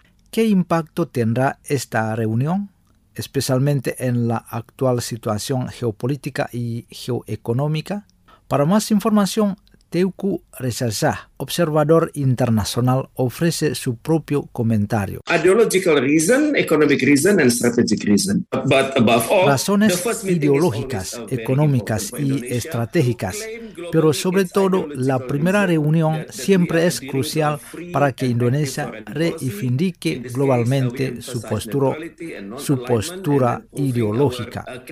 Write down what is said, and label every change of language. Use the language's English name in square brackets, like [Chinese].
[Spanish] ¿Qué impacto tendrá esta reunión, especialmente en la actual situación geopolítica y geoeconómica? Para más información, Teuku Rezaza, observador internacional, ofrece su propio comentario. [English] Ideological reason, economic reason and strategic reason. But above all, [Spanish] razones ideológicas, económicas y estratégicas. Pero sobre todo, la primera reunión siempre es crucial para que Indonesia reivindique globalmente su postura ideológica.